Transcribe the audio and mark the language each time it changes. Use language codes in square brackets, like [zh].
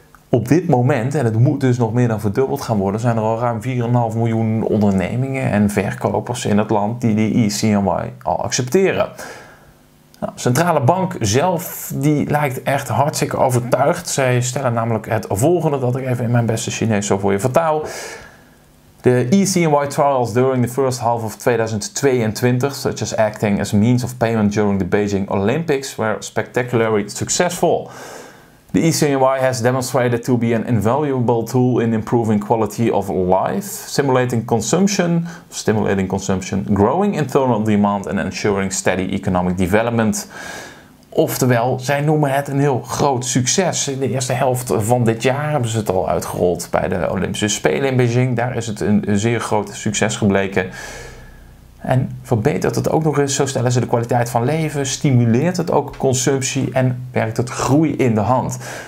[nl] Op dit moment, en het moet dus nog meer dan verdubbeld gaan worden, zijn er al ruim 4,5 miljoen ondernemingen en verkopers in het land die de eCNY al accepteren. Nou, centrale bank zelf, die lijkt echt hartstikke overtuigd. Zij stellen namelijk het volgende, dat ik even in mijn beste Chinees zo voor je vertaal. [en] De eCNY trials during the first half of 2022, such as acting as a means of payment during the Beijing Olympics, were spectacularly successful. The eCNY has demonstrated to be an invaluable tool in improving quality of life, stimulating consumption, growing internal demand and ensuring steady economic development. [nl] Oftewel, zij noemen het een heel groot succes. In de eerste helft van dit jaar hebben ze het al uitgerold bij de Olympische Spelen in Beijing. Daar is het een zeer groot succes gebleken. En verbetert het ook nog eens, zo stellen ze de kwaliteit van leven, stimuleert het ook consumptie en werkt het groei in de hand.